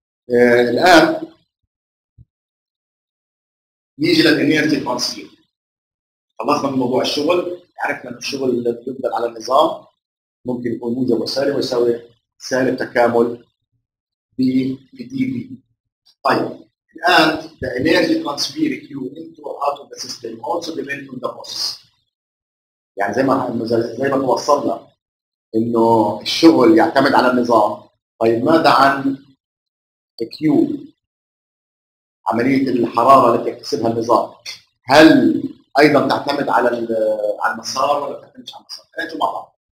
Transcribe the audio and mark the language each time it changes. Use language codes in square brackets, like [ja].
[ar] الان نيجي للانيرتي ترانسفير. خلصنا من موضوع الشغل، عرفنا ان الشغل اللي بيفضل على النظام ممكن يكون موجب وسالب، ويساوي سالب تكامل ب دي في. طيب الآن [en] the energy transfer Q into or out of the system also depends on the process. [ar] يعني زي ما توصلنا انه الشغل يعتمد على النظام، طيب ماذا عن Q؟ عملية الحرارة التي يكتسبها النظام، هل أيضا تعتمد على المسار ولا تعتمد على المسار؟ ثلاثة مع بعض.